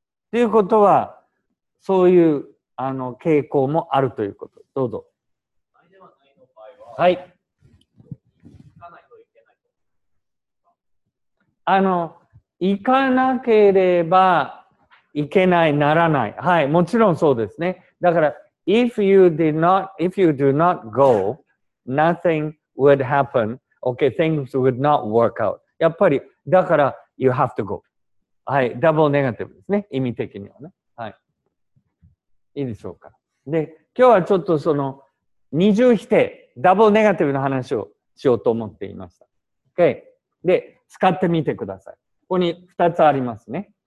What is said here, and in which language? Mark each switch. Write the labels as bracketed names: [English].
[Japanese] ということは、そういう傾向もあるということ。どうぞ。はい。行かなければいけない、ならない。はい、もちろんそうですね。だから、 [English] if you do not go, nothing would happen. Okay, things would not work out. [Japanese] やっぱり、だから、 [English] you have to go. [Japanese] はい、ダブルネガティブですね。意味的にはね。はい。いいでしょうか。で、今日はちょっとその、二重否定、ダブルネガティブの話をしようと思っていました。 [English] Okay。 [Japanese] で、使ってみてください。ここに二つありますね。